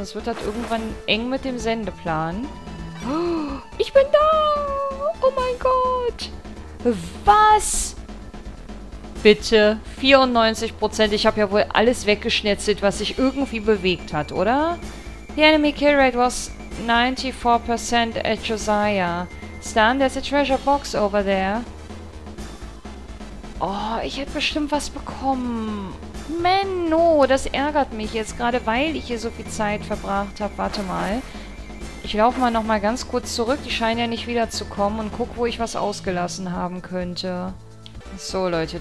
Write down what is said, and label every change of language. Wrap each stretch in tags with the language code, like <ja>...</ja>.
<de>Sonst wird das irgendwann eng mit dem Sendeplan. Ich bin da! Oh mein Gott! Was? Bitte, 94%. Ich habe ja wohl alles weggeschnetzelt, was sich irgendwie bewegt hat, oder?</de> <en>The enemy kill rate was 94% at Josiah. Stan, there's a treasure box over there.</en> <de>Oh, ich hätte bestimmt was bekommen. Menno, das ärgert mich jetzt gerade, weil ich hier so viel Zeit verbracht habe. Warte mal. Ich laufe mal nochmal ganz kurz zurück. Die scheinen ja nicht wiederzukommen. Und guck, wo ich was ausgelassen haben könnte. So, Leute.</de>